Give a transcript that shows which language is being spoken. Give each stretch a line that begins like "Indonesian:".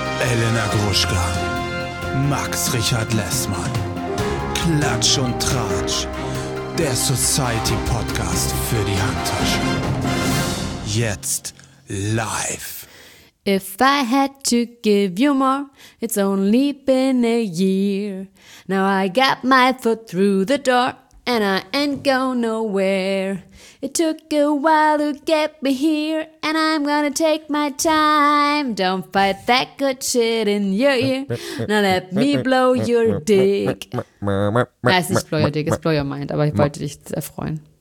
German: Elena Gruschka, Max Richard Lessmann, Klatsch und Tratsch, der Society Podcast für die Handtasche. Jetzt live.
English: If I had to give you more, it's only been a year. Now I got my foot through the door and I ain't go nowhere. It took a while to get me here and I'm gonna take my time. Don't fight that good shit in your ear. Now let me blow your dick.
German: Es ist Blow Your Dick, es ist Blow Your Mind, aber ich wollte dich erfreuen.